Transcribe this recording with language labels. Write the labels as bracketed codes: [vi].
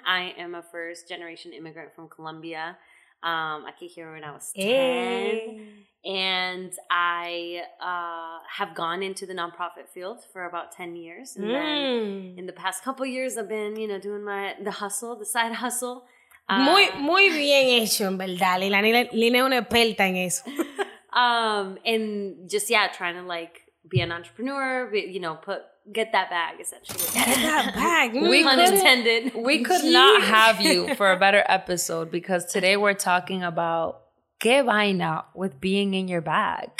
[en] I am a first generation immigrant from Colombia. I came here when I was 10. And I have gone into the nonprofit field for about 10 years. And then in the past couple years, I've been, you know, doing the side hustle. [es] Muy bien hecho, en verdad. Lina es una experta en eso. [en] And just, yeah, trying to, like, be an entrepreneur, be, you know, get that bag, essentially. Get that bag. Unintended. We could not have you for a better episode, because today we're talking about [es] qué vaina [en] with being in your bag.